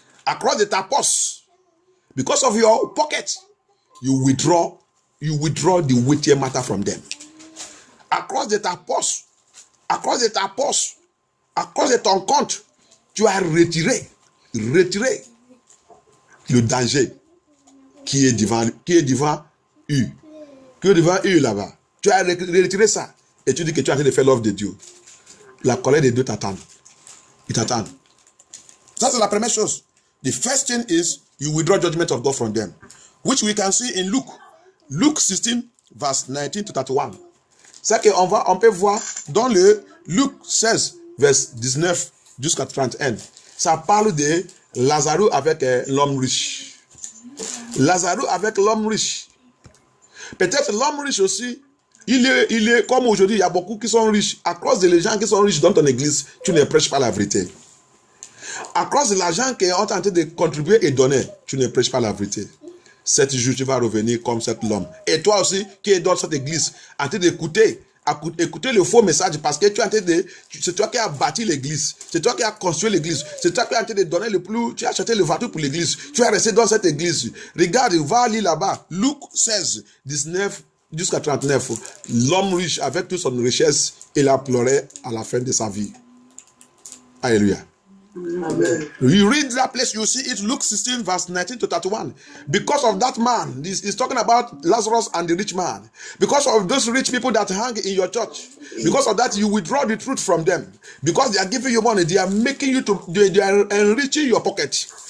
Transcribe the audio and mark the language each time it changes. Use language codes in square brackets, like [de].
[fr] À cause de ta poche. [en] Because of your pocket. You withdraw the weightier matter from them. [fr] Across de ton compte, tu as retiré le danger qui est devant eux là-bas. Tu as retiré ça et tu dis que tu es en train de faire l'œuvre de Dieu, la colère de Dieu t'attend. Il t'attend. Ça, c'est la première chose. [en] The first thing is, you withdraw judgment of God from them. Which we can see in Luke. Luke 16, verse 19 to 31. [fr] C'est que on peut voir dans le Luke 16, verse 19 jusqu'à 31. Ça parle de Lazare avec l'homme riche. Lazare avec l'homme riche. Peut-être l'homme riche aussi, il est comme aujourd'hui, il y a beaucoup qui sont riches. À cause des gens qui sont riches dans ton église, tu ne prêches pas la vérité. À cause de l'argent qu'ils ont tenté de contribuer et donner, tu ne prêches pas la vérité. Cet jour, tu vas revenir comme cet homme. Et toi aussi, qui es dans cette église, en train d'écouter, écouter le faux message, parce que tu es en train de. C'est toi qui as bâti l'église. C'est toi qui as construit l'église. C'est toi qui es en train de donner le plus. Tu as acheté le vatu pour l'église. Tu es resté dans cette église. Regarde, va lire là-bas. Luc 16, 19 jusqu'à 39. L'homme riche avec toute son richesse, il a pleuré à la fin de sa vie. Alléluia. Amen. [en] You read that place, you see it, Luke 16, verse 19 to 31. Because of that man, he's talking about Lazarus and the rich man. Because of those rich people that hang in your church. Because of that, you withdraw the truth from them. Because they are giving you money, they are making you to, they are enriching your pocket.